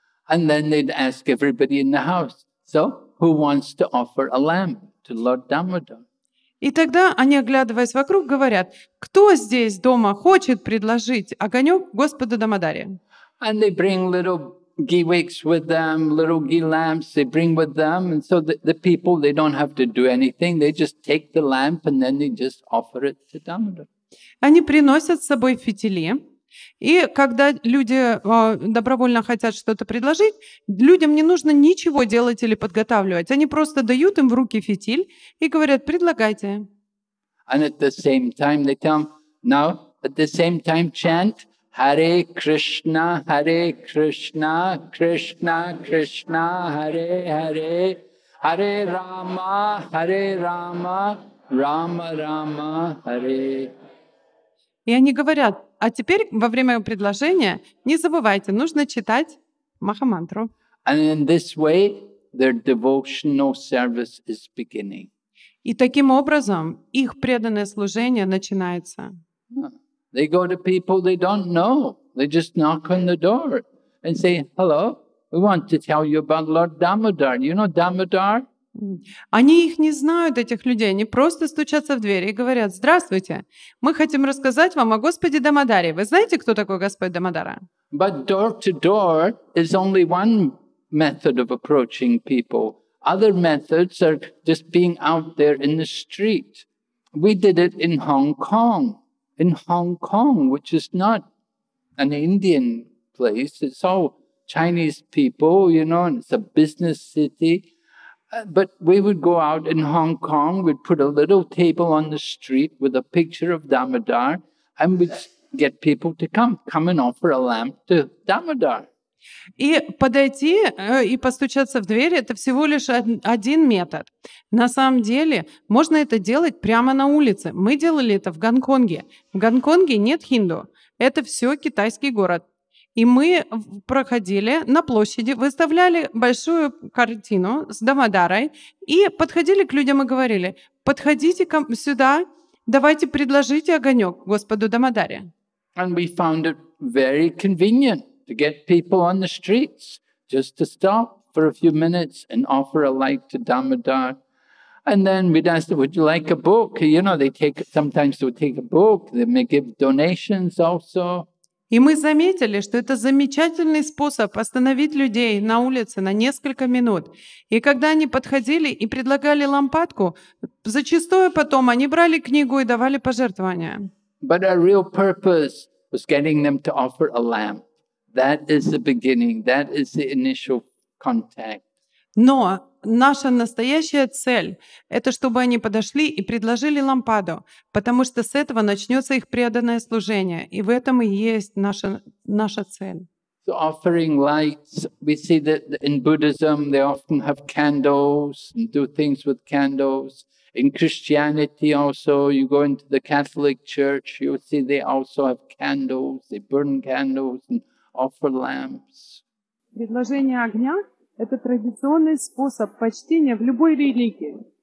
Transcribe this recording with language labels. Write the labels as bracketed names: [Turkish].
[English] And then they'd ask everybody in the house, so who wants to offer a lamp to Lord Damodar? [Russian] И тогда они, оглядываясь вокруг, говорят, кто здесь дома хочет предложить огонек Господу Дамодаре? [English] And they bring little giwiks with them, little ghee lamps they bring with them, and so the people, they don't have to do anything, they just take the lamp and then they just offer it to Damodar. [Russian] Они приносят с собой фитили, и когда люди добровольно хотят что-то предложить, людям не нужно ничего делать или подготавливать. Они просто дают им в руки фитиль и говорят: «Предлагайте». [English] And at the same time they tell them, now at the same time chant Hare Krishna, Hare Krishna, Krishna Krishna, Hare Hare, Hare Rama, Hare Rama, Rama Rama, Hare. [Russian] И они говорят: а теперь во время предложения не забывайте, нужно читать Махамантру. [English] And in this way, their devotional service is beginning. [Russian] И таким образом их преданное служение начинается. [English] They go to people they don't know. They just knock on the door and say, "Hello, we want to tell you about Lord Damodar. You know Damodar?" [Russian] Они их не знают, этих людей. Они просто стучатся в дверь и говорят: «Здравствуйте, мы хотим рассказать вам о Господе Дамодаре. Вы знаете, кто такой Господь Дамодара?» [English] But door-to-door is only one method of approaching people. Other methods are just being out there in the street. We did it in Hong Kong. In Hong Kong, which is not an Indian place, it's all Chinese people, you know, and it's a business city. But we would go out in Hong Kong, we'd put a little table on the street with a picture of Damodar, and we'd get people to come and offer a lamp to Damodar. [Russian] И подойти и постучаться в дверь — это всего лишь один метод. На самом деле, можно это делать прямо на улице. Мы делали это в Гонконге. В Гонконге нет хинду. Это все китайский город. И мы проходили на площади, выставляли большую картину с Дамодарой и подходили к людям и говорили: «Подходите сюда, давайте предложите огонек Господу Дамодаре». [English] And we found it very convenient to get people on the streets just to stop for a few minutes and offer a light to Damodar. And then we'd ask them, "Would you like a book?" You know, they'll take a book, they may give donations also. [Russian] И мы заметили, что это замечательный способ остановить людей на улице на несколько минут. И когда они подходили и предлагали лампадку, зачастую потом они брали книгу и давали пожертвования. [English] But our real purpose was getting them to offer a lamp. That is the beginning. That is the initial contact. [Russian] Но наша настоящая цель — это чтобы они подошли и предложили лампаду, потому что с этого начнется их преданное служение, и в этом и есть наша цель. [English] So offering lights, we see that in Buddhism they often have candles and do things with candles. In Christianity also, you go into the Catholic Church, you see they also have candles, they burn candles and offer lamps. [Russian] Предложение огня — это традиционный способ почтения в любой религии.